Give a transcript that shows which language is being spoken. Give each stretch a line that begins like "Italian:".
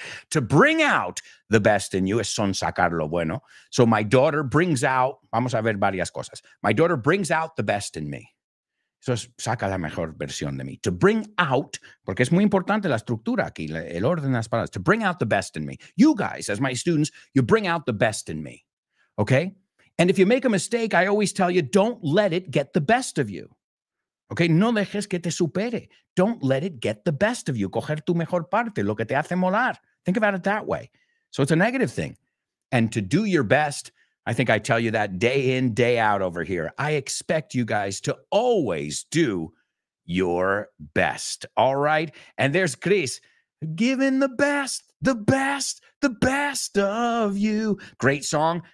English: To bring out the best in you
Spanish: es son sacar lo bueno.
English: So my daughter brings out,
Spanish: vamos a ver varias cosas.
English: My daughter brings out the best in me.
Spanish: Eso es saca la mejor versión de mí.
English: To bring out,
Spanish: porque es muy importante la estructura aquí, el orden de las palabras.
English: To bring out the best in me. You guys, as my students, you bring out the best in me. Okay? And if you make a mistake, I always tell you, don't let it get the best of you. Okay,
Spanish: no dejes que te supere.
English: Don't let it get the best of you.
Spanish: Coger tu mejor parte, lo que te hace molar.
English: Think about it that way. So it's a negative thing. And to do your best, I think I tell you that day in, day out over here. I expect you guys to always do your best. All right? And there's Chris. Giving the best of you. Great song.